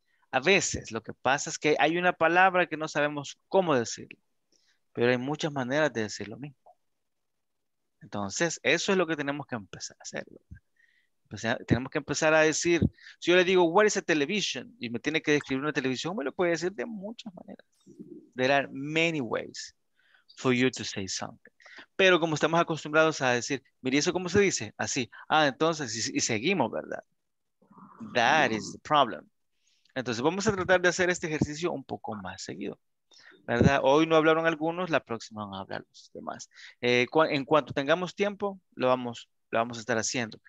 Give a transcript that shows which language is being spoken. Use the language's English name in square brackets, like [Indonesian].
[Spanish] A veces lo que pasa es que hay una palabra que no sabemos cómo decirlo, pero hay muchas maneras de decir lo mismo. Entonces, eso es lo que tenemos que empezar a hacer. Tenemos que empezar a decir, si yo le digo, [English] what is a television? [Spanish] Y me tiene que describir una televisión, me lo puede decir de muchas maneras. [English] There are many ways for you to say something. [Spanish] Pero como estamos acostumbrados a decir, mire, ¿eso cómo se dice? Así. Ah, entonces, y seguimos, ¿verdad? [English] That is the problem. [Spanish] Entonces, vamos a tratar de hacer este ejercicio un poco más seguido, ¿verdad? Hoy no hablaron algunos, la próxima van a hablar los demás. En cuanto tengamos tiempo, lo vamos a estar haciendo.